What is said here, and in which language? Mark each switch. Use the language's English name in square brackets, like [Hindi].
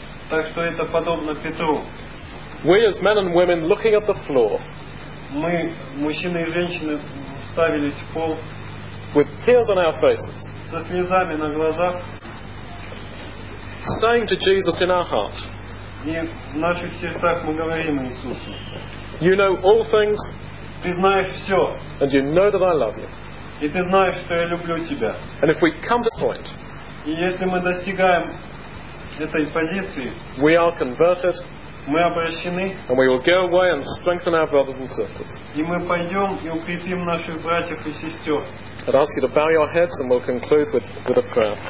[Russian] Так что это подобно Петру. [English] We as men and women looking at the floor. [Russian] Мы, мужчины и женщины, вставились в пол. [English] With tears on our faces. [Russian] Со слезами на глазах. [English] Saying to Jesus in our heart. [Russian] И в наших сердцах мы говорим Иисусу. [English] You know all things. [Russian] Ты знаешь все. [English] And you know that I love you. [Russian] И ты знаешь, что я люблю тебя. [English] And if we come to the point. [Russian] И если мы достигаем этой позиции. [English] We are converted. [Russian] Мы обращены. [English] And we will go away and strengthen our brothers and sisters. [Russian] И мы пойдем и укрепим наших братьев и сестер. [English] I'd ask you to bow your heads and we'll conclude with a prayer.